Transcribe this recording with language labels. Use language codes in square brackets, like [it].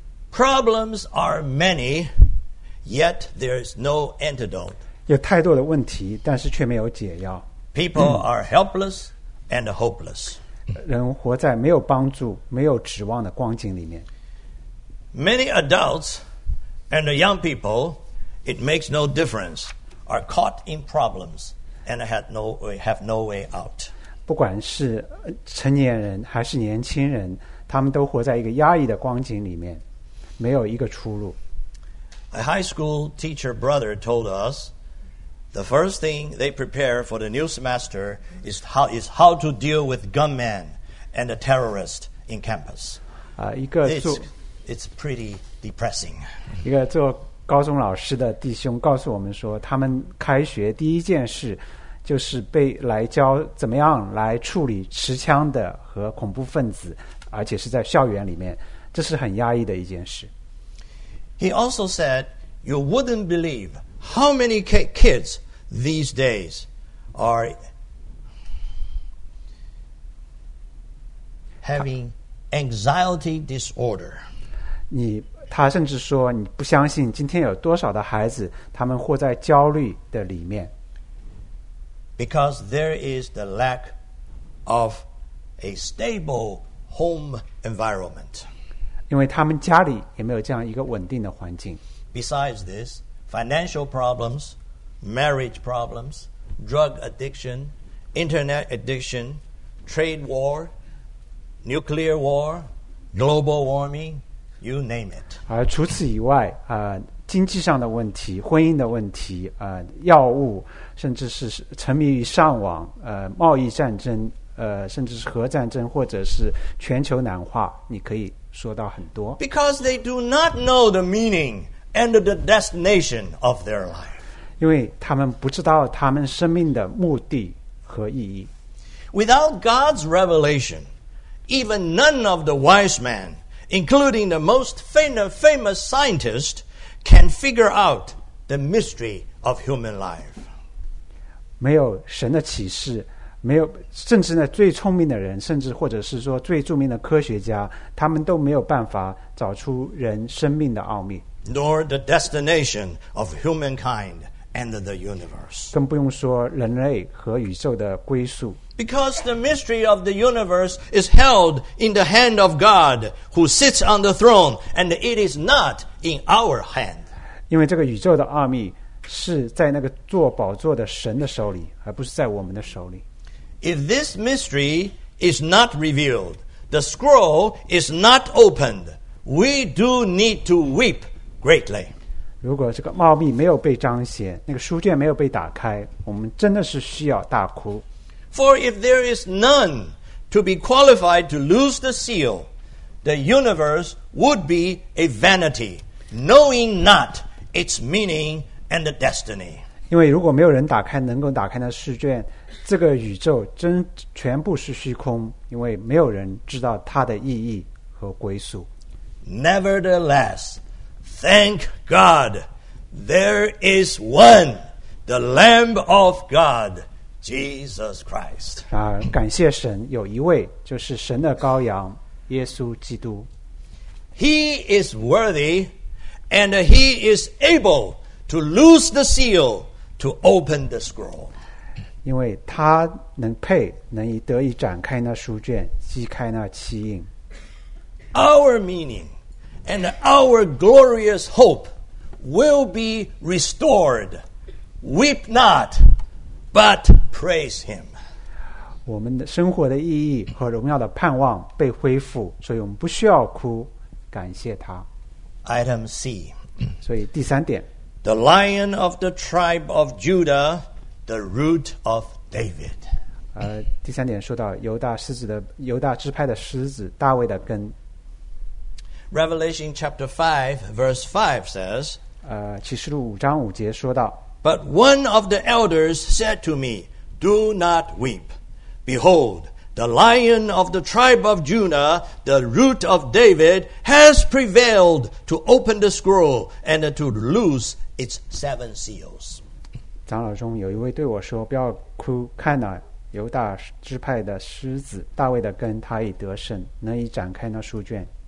[en] Problems are many, yet there is no antidote. [zh] 有太多的问题，但是却没有解药。 [en] People are helpless. And hopeless. [zh] 人活在没有帮助、没有指望的光景里面。 [en] Many adults and young people, it makes no difference, are caught in problems and have no way out. [zh] 不管是成年人还是年轻人，他们都活在一个压抑的光景里面，没有一个出路。 [en] A high school teacher brother told us. The first thing they prepare for the new semester is how to deal with gunmen and the terrorists in campus. It's pretty depressing. [zh] 一个做高中老师的弟兄告诉我们说，他们开学第一件事就是被来教怎么样来处理持枪的和恐怖分子，而且是在校园里面，这是很压抑的一件事。 [en] He also said, "You wouldn't believe." How many kids these days are having anxiety disorder? [zh] 他甚至说你不相信今天有多少的孩子他们活在焦虑的里面。 [en] Because there is the lack of a stable home environment. [zh] 因为他们家里也没有这样一个稳定的环境。 [en] Besides this,Financial problems, marriage problems, drug addiction, internet addiction, trade war, nuclear war, global warming, you name it. [zh] 而除此以外，经济上的问题，婚姻的问题，药物，甚至是沉迷于上网，贸易战争，甚至是核战争，或者是全球暖化，你可以说到很多。 [en] Because they do not know the meaning. And the destination of their life. [zh] 因为他们不知道他们生命的目的和意义。 [en] Without God's revelation, even none of the wise men, including the most famous scientist, can figure out the mystery of human life. [zh] 没有神的启示，没有，甚至呢，最聪明的人，甚至或者是说最著名的科学家，他们都没有办法找出人生命的奥秘。 [en] Nor the destination of humankind and the universe. [zh] 更不用说人类和宇宙的归宿。 [en] Because the mystery of the universe is held in the hand of God who sits on the throne and it is not in our hand. [zh] 因为这个宇宙的奥秘是在那个坐宝座的神的手里而不是在我们的手里。 [en] If this mystery is not revealed, the scroll is not opened, we do need to weep. Greatly. [zh] 如果这个奥秘没有被彰显，那个书卷没有被打开，我们真的是需要大哭。 [en] For if there is none to be qualified to lose the seal, the universe would be a vanity, knowing not its meaning and the destiny. [zh] 因为如果没有人打开能够打开的书卷，这个宇宙真全部是虚空，因为没有人知道它的意义和归宿。 [en] Nevertheless. Thank God, there is one, the Lamb of God, Jesus Christ. [zh] 感谢神，有一位就是神的羔羊，耶稣基督。 [en] He is worthy, And he is able to loose the seal to open the scroll. [zh] 因为他能配，能以得以展开那书卷，击开那七印。 [en] Our meaning and our glorious hope will be restored. Weep not, but praise him. [zh] 我们的生活的意义和荣耀的盼望被恢复，所以我们不需要哭，感谢他。 [en] Item C. [zh] 所以第三点。 [en] The lion of the tribe of Judah, the root of David. [zh] 第三点说到犹大狮子的犹大支派的狮子，大卫的根。 [en] Revelation chapter 5, verse 5 says, [zh] 启示录五章五节说到 [en] But one of the elders said to me, Do not weep. Behold, the lion of the tribe of Judah, the root of David, has prevailed to open the scroll and to loose its seven seals. [zh] 长老中有一位对我说，不要哭，看哪，犹大支派的狮子，大卫的根，他已得胜，能以展开那书卷。